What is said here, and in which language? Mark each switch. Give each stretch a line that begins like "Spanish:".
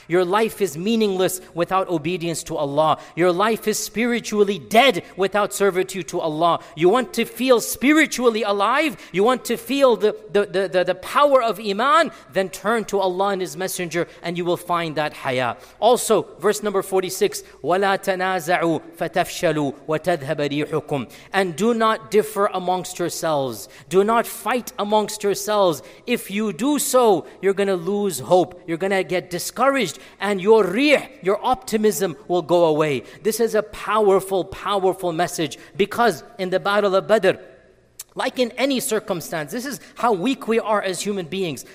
English: Your life is meaningless without obedience to Allah. Your life is spiritually dead without servitude to Allah. You want to feel spiritually alive? You want to feel the power of iman? Then turn to Allah and His Messenger, and you will find that haya. Also, verse number 46,
Arabic: وَلَا تَنَازَعُوا فَتَفْشَلُوا وَتَذْهَبَ رِيحُكُمْ.
English: And do not differ amongst yourselves. Do not fight amongst yourselves. If you do so, you're going to lose hope. You're going to get discouraged, and your rih, your optimism, will go away. This is a powerful, powerful message, because in the Battle of Badr, like in any circumstance, this is how weak we are as human beings.